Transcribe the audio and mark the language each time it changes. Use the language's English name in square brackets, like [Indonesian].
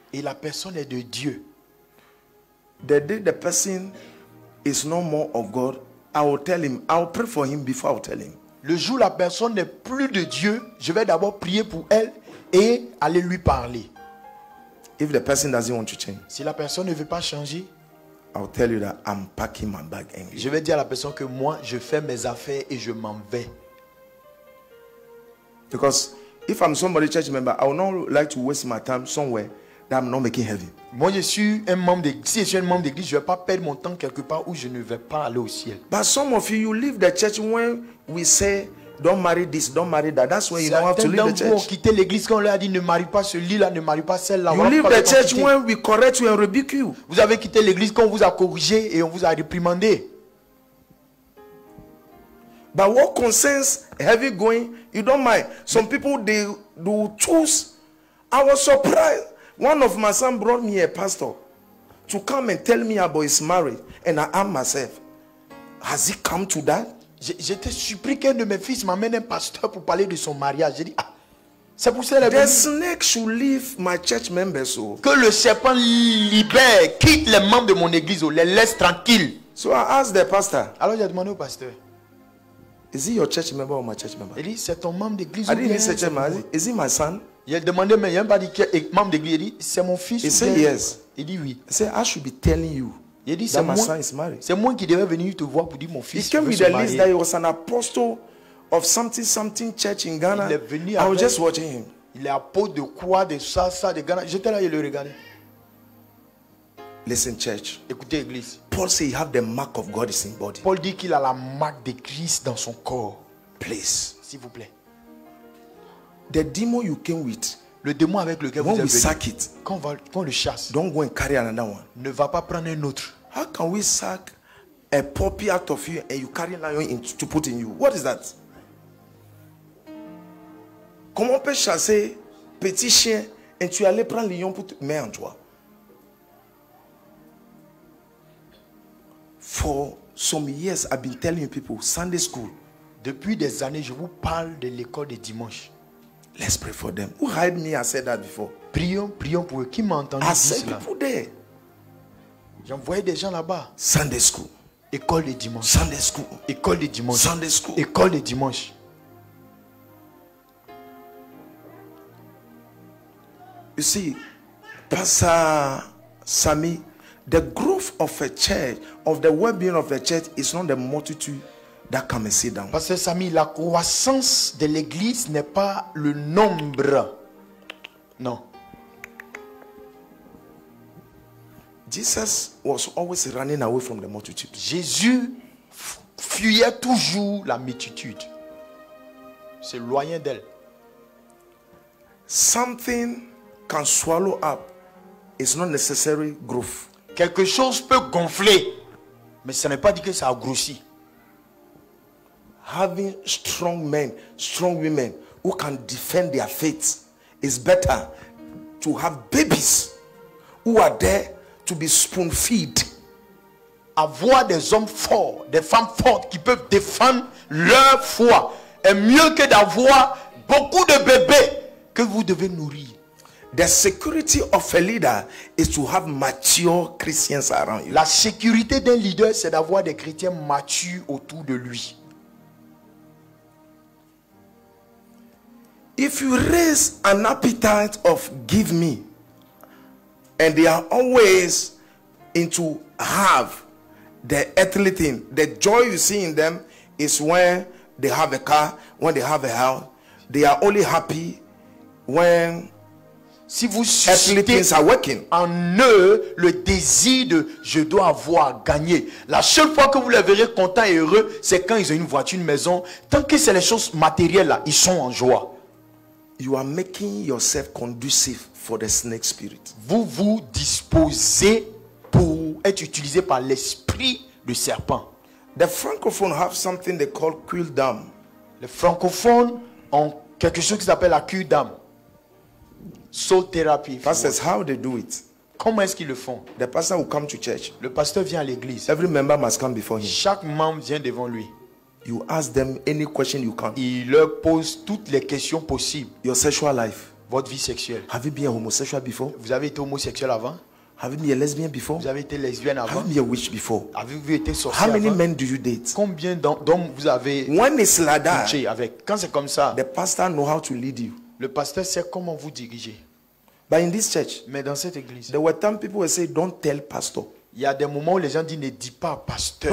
[French] et la personne est de Dieu, [English] the day the person is no more of God, I will tell him, I will pray for him before I will tell him. [French] Le jour la personne n'est plus de Dieu, je vais d'abord prier pour elle et aller lui parler. [English] If the person doesn't want to change, [French] si la personne ne veut pas changer, [English] I will tell you that I'm packing my bag and [French] je vais dire à la personne que moi je fais mes affaires et je m'en vais. [English] Because if I'm somebody church member, I would not like to waste my time somewhere that I'm not making heaven. [French] Moi je suis un membre d'église. Si je suis un membre d'église, je vais pas perdre mon temps quelque part où je ne vais pas aller au ciel. [English] But some of you leave the church when we say don't marry this, don't marry that. That's when you don't have to leave the church. [French] Certains ont quitté l'église quand on leur a dit ne marie pas celui-là, ne marie pas celle-là. [English] You leave the church when we correct you and rebuke you. [French] Vous avez quitté l'église quand on vous a corrigé et on vous a réprimandé. [English] But what concerns heavy going, you don't mind. Some people, they do choose. I was surprised. One of my son brought me a pastor to come and tell me about his marriage. And I am myself. Has it come to that? [French] J'étais surpris qu'un de mes fils m'amène un pasteur pour parler de son mariage. J'ai dit, ah, c'est pour ça. [English] The snake should leave my church members. So. [French] Que le serpent libère, quitte les membres de mon église, oh, les laisse tranquilles. [English] So I asked the pastor. [French] Alors j'ai demandé au pasteur. [English] Is he your church member or my church member? [French] Il dit, c'est ton membre d'église. [English] I didn't say church member. Is he my son? [French] Il a demandé, mais il n'a pas dit qu'il est membre d'église. Il dit, c'est mon fils. [English] He said yes. [French] Il dit oui. [English] He said, I should be telling you. [French] Il dit, c'est, [English] my son is married. [French] C'est moi qui devais venir te voir pour dire mon fils. [English] He came with a list that he was an apostle of something something church in Ghana. [French] Il est venu. [English] I was just watching him. [French] Il est apôtre de quoi, de ça, ça, de Ghana. J'étais là, je le regardais. [English] Listen, church. [French] Écoutez, église. [English] Paul said he have the mark of God in his body. [French] Paul dit qu'il a la marque de Christ dans son corps. [English] Please, [French] s'il vous plaît. [English] The demon you came with. [French] Le démon avec lequel [English] when [French] vous avez [English] sacked, [French] quand on le chasse, [English] don't go and carry another one. [French] Ne va pas prendre un autre. [English] How can we sack a puppy out of you and you carry a lion in to put in you? What is that? [French] Comment on peut chasser petit chien et tu allais prendre lion pour te mettre en toi? [English] For some years, I've been telling you people Sunday school. [French] Depuis des années, je vous parle de l'école de dimanche. [English] Let's pray for them. Who heard me? I said that before. [French] Prions, prions pour eux. Qui m'a entendu dire cela? [English] I said people there. [French] J'envoyais des gens là-bas. [English] Sunday school. [French] École de dimanche. [English] Sunday school. [French] École de dimanche. [English] Sunday school. [French] École de dimanche. [English] You see, Pastor Sammy, the growth of a church, of the well-being of a church, is not the multitude that come and sit down. [French] Pastor Sammy, la croissance de l'église n'est pas le nombre. Non. [English] Jesus was always running away from the multitude. [French] Jésus fuyait toujours la multitude. C'est loin d'elle. [English] Something can swallow up. It's not necessary growth. [French] Quelque chose peut gonfler, mais ça n'est pas dit que ça a grossi. [English] Having strong men, strong women who can defend their faith is better to have babies who are there to be spoon-fed. [French] Avoir des hommes forts, des femmes fortes qui peuvent défendre leur foi est mieux que d'avoir beaucoup de bébés que vous devez nourrir. [English] The security of a leader is to have mature Christians around you. [French] La sécurité d'un leader, c'est d'avoir des chrétiens matures autour de lui. [English] If you raise an appetite of give me, and they are always into have the earthly thing, the joy you see in them is when they have a car, when they have a house. They are only happy when [French] si vous suscitez en eux le désir de je dois avoir gagné. La seule fois que vous les verrez contents et heureux, c'est quand ils ont une voiture, une maison. Tant que c'est les choses matérielles là, ils sont en joie. [English] You are making yourself conducive for the snake spirit. [French] Vous vous disposez pour être utilisé par l'esprit du serpent. [English] The francophones have something they call cul d'âme. [French] Les francophones ont quelque chose qui s'appelle la cul d'âme. [English] Soul therapy. Pastors, how they do it? [French] Comment est-ce qu'ils le font? [English] The pastor will come to church. [French] Le pasteur vient à l'église. [English] Every member must come before him. [French] Chaque membre vient devant lui. [English] You ask them any question you can. [French] Il leur pose toutes les questions possibles. [English] Your sexual life. [French] Votre vie sexuelle. [English] Have you been a homosexual before? [French] Vous avez été homosexuel avant? [English] Have you been a lesbian before? [French] Vous avez été lesbienne avant? [English] Have you been a witch before? [French] Avez-vous été sorcière avant? [English] How many men do you date? [French] Combien d'hommes vous avez? [English] When is like that? [French] Avec. Quand c'est comme ça? [English] The pastor know how to lead you. [French] Le pasteur sait comment vous diriger. [English] But in this church, [French] mais dans cette église, [English] there were times people would say, "Don't tell pastor." [French] Il y a des moments où les gens disent, "Ne dis pas pasteur."